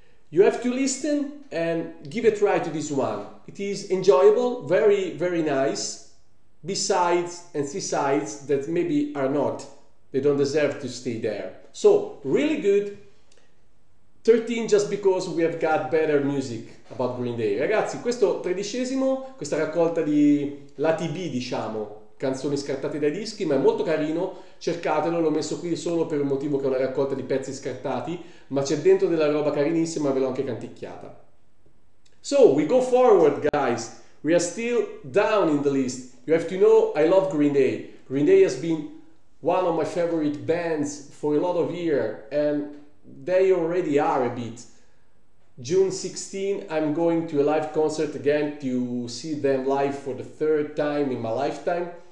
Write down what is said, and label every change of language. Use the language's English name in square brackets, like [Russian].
[English] You have to listen and give a try to this one. It is enjoyable, very, very nice. B-sides and C-sides that maybe are not, they don't deserve to stay there. So, really good. 13 just because we have got better music about Green Day. [Italian] Ragazzi, questo tredicesimo, questa raccolta di lati B, diciamo, canzoni scartate dai dischi, ma è molto carino, cercatelo, l'ho messo qui solo per un motivo che è una raccolta di pezzi scartati, ma c'è dentro della roba carinissima, ve l'ho anche canticchiata. [English] So, we go forward, guys. We are still down in the list. You have to know I love Green Day. Green Day has been one of my favorite bands for a lot of years, and they already are a bit. June 16, I'm going to a live concert again to see them live for the third time in my lifetime.